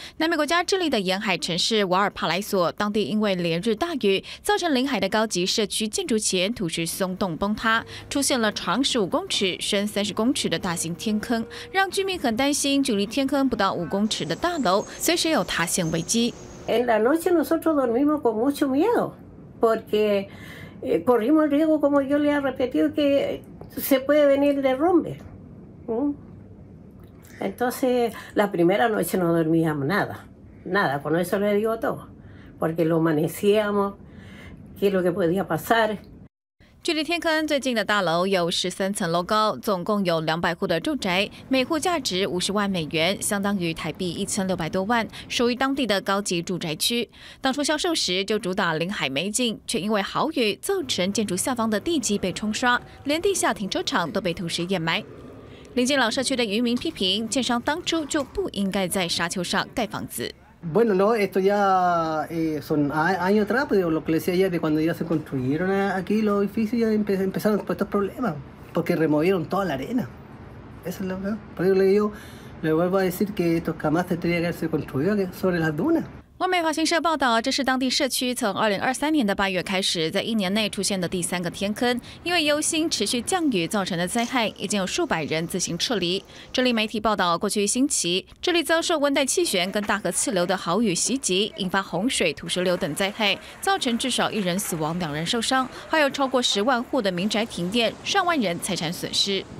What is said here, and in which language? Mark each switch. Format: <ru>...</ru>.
<zh>南美国家智利的沿海城市瓦尔帕莱索，当地因为连日大雨，造成临海的高级社区建筑前土石松动崩塌，出现了长15公尺、深30公尺的大型天坑，让居民很担心，距离天坑不到5公尺的大楼随时有塌陷危机。</zh> <es>En la noche nosotros dormimos con mucho miedo, porque corrimos el riesgo, como yo le he repetido, que se puede venir derrumbe. Entonces, la primera noche no dormíamos nada, nada, con eso le digo todo, porque lo amanecíamos, qué es lo que podía pasar.</es> <zh>距离天坑最近的大楼有13层楼高，总共有200户的住宅，每户价值50万美元，相当于台币1600多万，属于当地的高级住宅区。当初销售时就主打临海美景，却因为豪雨造成建筑下方的地基被冲刷，连地下停车场都被同时掩埋。临近老社区的渔民批评，建商当初就不应该在沙丘上盖房子。</zh> <es>Bueno, no, esto ya son años atrás, pero lo que le decía ayer, de cuando ya se construyeron aquí los edificios, ya empezaron todos estos problemas, porque removieron toda la arena. Eso es lo que por eso le vuelvo a decir que esto jamás tendría que haberse construido sobre las dunas.</es> <zh>外媒华新社报道，这是当地社区从2023年的8月开始，在一年内出现的第三个天坑，因为忧心持续降雨造成的灾害，已经有数百人自行撤离。这里媒体报道，过去一星期，这里遭受温带气旋跟大河气流的豪雨袭击，引发洪水、土石流等灾害，造成至少一人死亡、两人受伤，还有超过10万户的民宅停电，上万人财产损失。</zh>